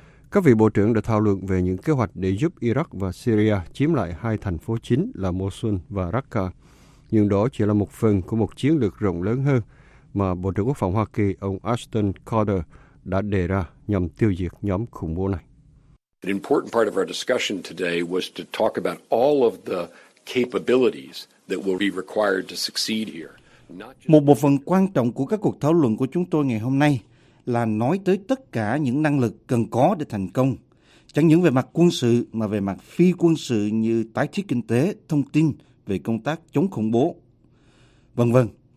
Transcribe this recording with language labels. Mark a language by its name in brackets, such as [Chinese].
[Vietnamese] Các vị bộ trưởng đã thảo luận về những kế hoạch để giúp Iraq và Syria chiếm lại hai thành phố chính là Mosul và Raqqa, nhưng đó chỉ là một phần của một chiến lược rộng lớn hơn mà Bộ trưởng Quốc phòng Hoa Kỳ, ông Ashton Carter, đã đề ra nhằm tiêu diệt nhóm khủng bố này. [English] An important part of our discussion today was to talk about all of the capabilities that will be required to succeed here. [Vietnamese] Một bộ phận quan trọng của các cuộc thảo luận của chúng tôi ngày hôm nay là nói tới tất cả những năng lực cần có để thành công, chẳng những về mặt quân sự mà về mặt phi quân sự như tái thiết kinh tế, thông tin về công tác chống khủng bố, vân vân.